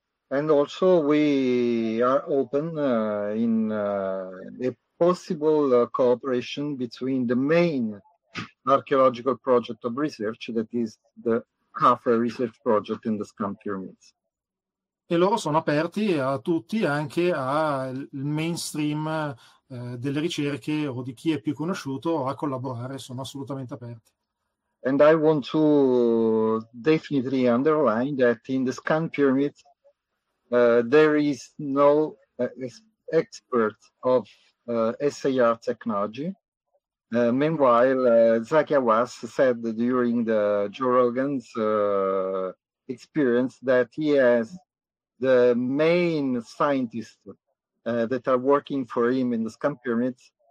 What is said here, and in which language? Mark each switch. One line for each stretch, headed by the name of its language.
English: And also we are open in a possible cooperation between the main archaeological project of research, that is the CAFRE research project in the Skam Pyramids.
Italian: E loro sono aperti a tutti, anche al mainstream delle ricerche o di chi è più conosciuto a collaborare, sono assolutamente aperti.
English: And I want to definitely underline that in the Skam Pyramid there is no expert of SAR technology. Meanwhile, Zaki Hawass said during the Joe Rogan's experience that he has the main scientists that are working for him in the Skam Pyramids.